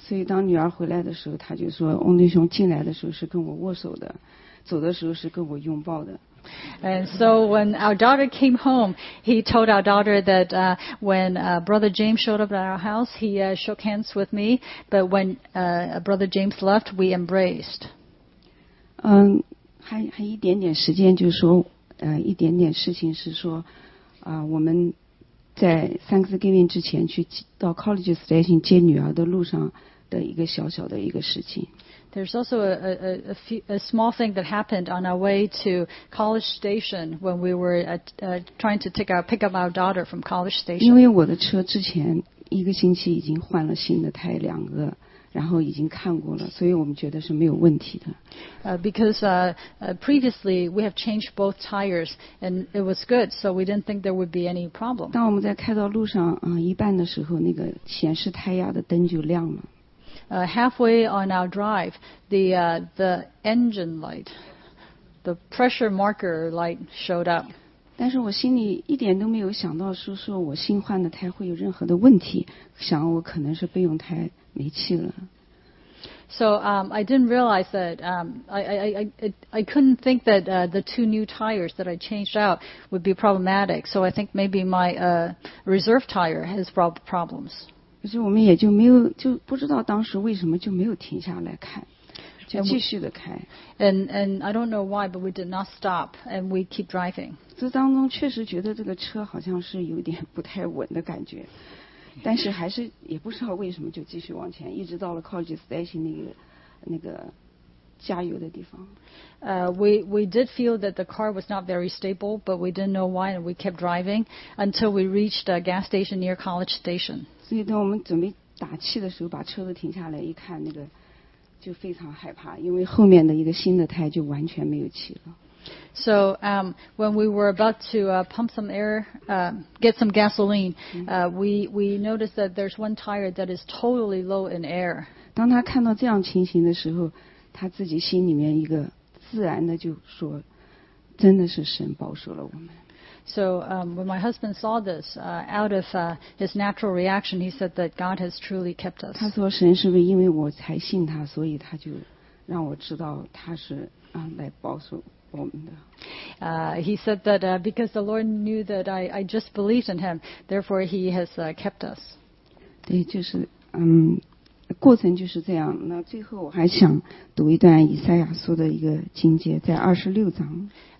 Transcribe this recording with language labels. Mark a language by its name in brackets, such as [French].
[Chinese] 所以当女儿回来的时候，他就说翁弟兄进来的时候是跟我握手的，走的时候是跟我拥抱的。 [English] And so when our daughter came home, he told our daughter that when Brother James showed up at our house, he shook hands with me. But when Brother James left, we embraced. [Chinese] 还一点点时间，就是说，一点点事情是说，我们在 Thanksgiving 之前去到 College Station 接女儿的路上的一个小小的一个事情。 [English] There's also a small thing that happened on our way to College Station when we were trying to pick up our daughter from College Station. [Chinese] 因为我的车之前一个星期已经换了新的胎两个，然后已经看过了，所以我们觉得是没有问题的。 [English] Because previously we have changed both tires and it was good, so we didn't think there would be any problem. [Chinese] 当我们在开到路上一半的时候，那个显示胎压的灯就亮了。 [English] Halfway on our drive, the engine light, the pressure marker light showed up. [Chinese] 但是我心里一点都没有想到说我新换的胎会有任何的问题，想我可能是备用胎没气了。 [English] So I didn't realize that I couldn't think that the two new tires that I changed out would be problematic. So I think maybe my reserve tire has problems. [Chinese] 可是我们也就没有，就不知道当时为什么就没有停下来看，就继续的开。 [English] And I don't know why, but we did not stop, and we keep driving. [Chinese] 这当中确实觉得这个车好像是有点不太稳的感觉，但是还是也不知道为什么就继续往前，一直到了 College Station 那个加油的地方。 [English] We did feel that the car was not very stable, but we didn't know why, and we kept driving until we reached a gas station near College Station. [Chinese] 所以当我们准备打气的时候把车子停下来一看，那个就非常害怕，因为后面的一个新的胎就完全没有气了。 [English] So when we were about to pump some air, get some gasoline, we noticed that there's one tire that is totally low in air. [Chinese] 当他看到这样情形的时候，他自己心里面一个自然的就说，真的是神保守了我们。 [English] So when my husband saw this, out of his natural reaction, he said that God has truly kept us. [Chinese] 他说神是不是因为我才信他，所以他就让我知道他是来保守我们的。 [English] He said that because the Lord knew that I just believed in him, therefore he has kept us. [Chinese] 对，就是过程就是这样。那最后我还想读一段以赛亚书的一个经节，在二十六章。